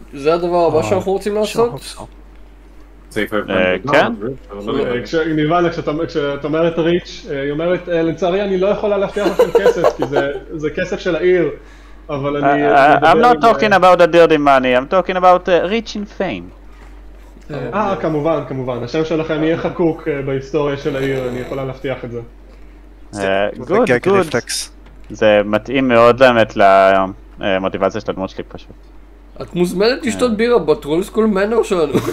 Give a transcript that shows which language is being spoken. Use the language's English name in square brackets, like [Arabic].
[Hebrew] זה הדבר הבא שאנחנו רוצים לעשות? כן? נירן, כשאת אומרת ריץ', היא אומרת, לצערי אני לא יכולה להבטיח לכם כסף, כי זה כסף של העיר, אבל אני... [English] I'm not talking about a dirty money, I'm talking about rich and fame. [Hebrew] כמובן, כמובן, השם שלכם יהיה חקוק בהיסטוריה של העיר, אני יכולה להבטיח את זה. גוד, גוד. זה מתאים מאוד באמת למוטיבציה של הדמות שלי פשוט. את מוזמנת לשתות בירה בטרול סקול מנור שלנו.